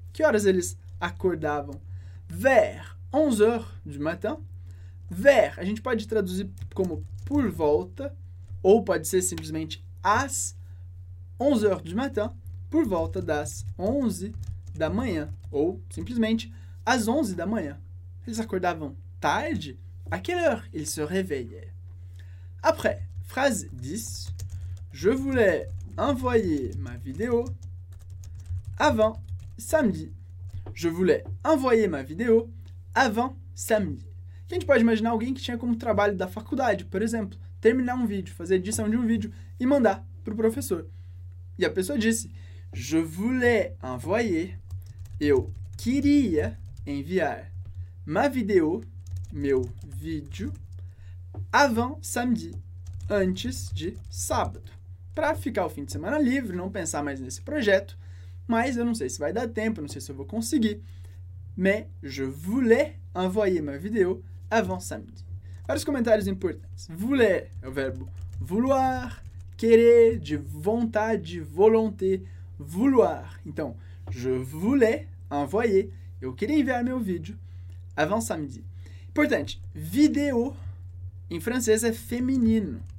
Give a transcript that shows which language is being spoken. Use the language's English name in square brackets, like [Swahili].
[Portuguese] Que horas eles acordavam? [French] Vers 11h du matin. [Portuguese] Vers, a gente pode traduzir como por volta, ou pode ser simplesmente às 11h du matin. Por volta das 11 da manhã, ou simplesmente às 11 da manhã. Eles acordavam tarde? [French] À quelle heure ils se réveillaient? Après, phrase 10. Je voulais envoyer ma vidéo avant samedi. Je voulais envoyer ma vidéo avant samedi. [Portuguese] A gente pode imaginar alguém que tinha como trabalho da faculdade, por exemplo, terminar um vídeo, fazer edição de um vídeo e mandar pro professor. E a pessoa disse: [French] je voulais envoyer, [Portuguese] eu queria enviar [French] ma vidéo, [Portuguese] meu vídeo, [French] avant samedi, [Portuguese] antes de sábado. Para ficar o fim de semana livre, não pensar mais nesse projeto, mas eu não sei se vai dar tempo, não sei se eu vou conseguir. [French] Mais je voulais envoyer ma vidéo avant samedi. [Portuguese] Vários comentários importantes. Voulais é o verbo vouloir, querer, de vontade, volonté. Vouloir. Então, [French] je voulais envoyer. [Portuguese] Eu queria enviar meu vídeo [French] avant samedi. [Portuguese] Importante, vidéo em francês é feminino.